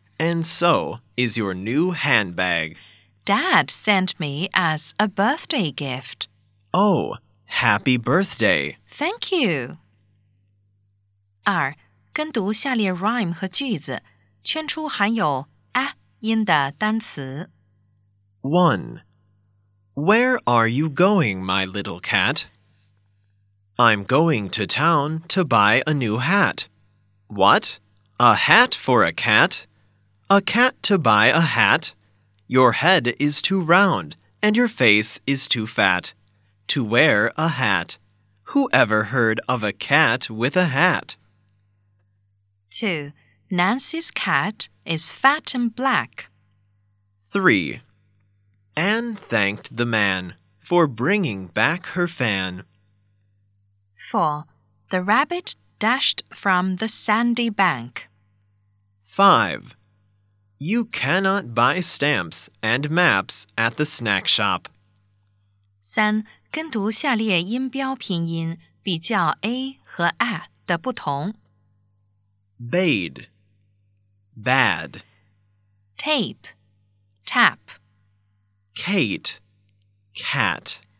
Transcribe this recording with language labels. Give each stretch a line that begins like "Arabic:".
English: And so is your new handbag. Dad sent me as a birthday gift. Oh, happy birthday. Thank you.
Chinese: 二，跟读下列 rhyme 和句子，圈出含有 a 音的单词。
English: One. Where are you going, my little cat? I'm going to town to buy a new hat. What? A hat for a cat?A cat to buy a hat? Your head is too round, and your face is too fat, to wear a hat. Who ever heard of a cat with a hat? 2. Nancy's cat is fat and black. 3. Anne thanked the man for bringing back her fan. 4. The rabbit dashed from the sandy bank. 5. You cannot buy stamps and maps at the snack shop. 3.
Chinese: 跟读下列音标拼音，比较 A 和 A 的不同。
English: Bade, bad. Tape, tap. Kate, cat.